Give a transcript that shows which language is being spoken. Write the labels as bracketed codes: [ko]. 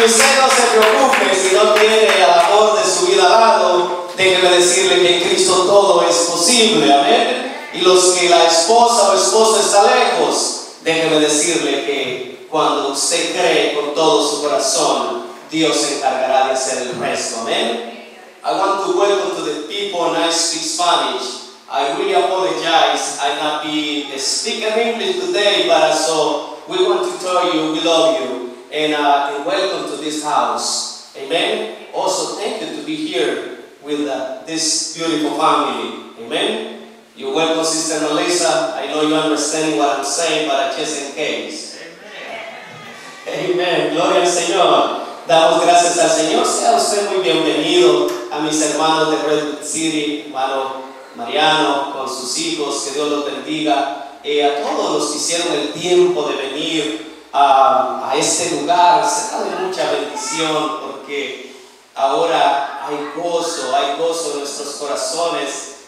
[es] Y usted no se preocupe si no tiene el amor de su vida al lado. Déjeme decirle que en Cristo todo es posible, amén. Y los que la esposa o esposo está lejos, déjeme decirle que cuando usted cree con todo su corazón, Dios se encargará de hacer el resto, amén. [en] I want to welcome to the people and I speak Spanish. I really apologize, I not be speaking English today, but so we want to tell you we love you and welcome to this house, amen. Also, thank you to be here with this beautiful family. Amen. You're welcome, Sister Melissa. I know you understand what I'm saying, but just in case. Amen. [es] Amen. Gloria al Señor. Damos gracias al Señor. Sea usted muy bienvenido a mis hermanos de Red City, hermano Mariano, con sus hijos. Que Dios los bendiga. A todos los que hicieron el tiempo de venir a este lugar, será de mucha bendición porque ahora hay gozo en nuestros corazones.